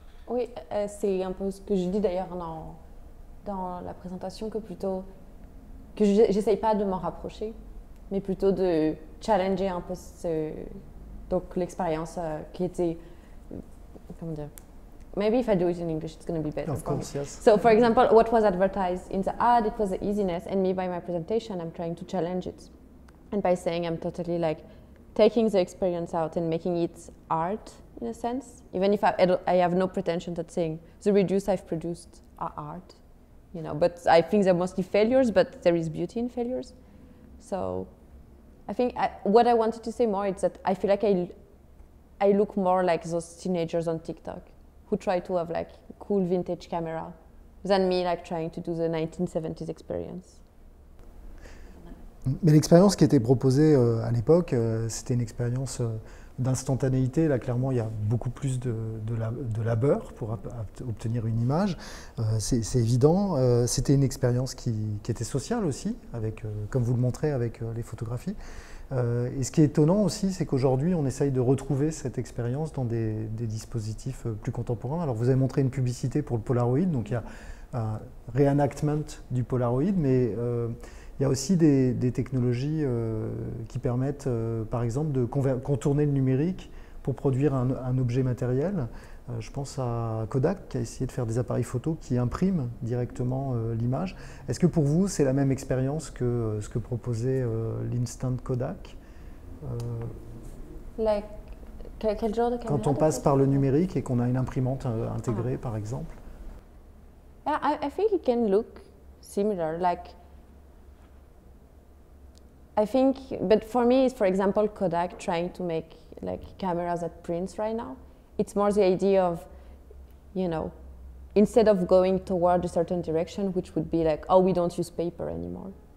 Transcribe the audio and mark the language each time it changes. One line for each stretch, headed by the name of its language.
French: Oui, c'est un peu ce que je dis d'ailleurs dans la présentation, que plutôt que j'essaye pas de m'en rapprocher, mais plutôt de challenger un peu donc l'expérience qui était, comment dire,
English: maybe if I do it in English, it's going to be better. Of course, yes. So, for example, what was advertised in the ad, it was the easiness, and me, by my presentation, I'm trying to challenge it. And by saying I'm totally, like, taking the experience out and making it art, in a sense, even if I have no pretension to saying the reduced I've produced are art, you know, but I think they're mostly failures, but there is beauty in failures. So, I think what I wanted to say more is that I feel like I look more like those teenagers on TikTok who try to have like cool vintage camera than me like trying to do the 1970s experience.
French: Mais l'expérience qui était proposée à l'époque, c'était une expérience d'instantanéité. Là, clairement, il y a beaucoup plus de labeur pour obtenir une image. C'est évident. C'était une expérience qui était sociale aussi, avec, comme vous le montrez avec les photographies. Et ce qui est étonnant aussi, c'est qu'aujourd'hui, on essaye de retrouver cette expérience dans des dispositifs plus contemporains. Alors, vous avez montré une publicité pour le Polaroid, donc il y a un reenactment du Polaroid, mais il y a aussi des technologies qui permettent, par exemple, de contourner le numérique pour produire un objet matériel. Je pense à Kodak qui a essayé de faire des appareils photo qui impriment directement l'image. Est-ce que pour vous, c'est la même expérience que ce que proposait l'Instant Kodak? Quel genre de caméra? Quand on passe par le numérique et qu'on a une imprimante intégrée, par exemple.
English: I think it can look similar. Like, I think, but for me, it's for example Kodak trying to make like cameras that prints right now. It's more the idea of, you know, instead of going toward a certain direction, which would be like, oh, we don't use paper anymore.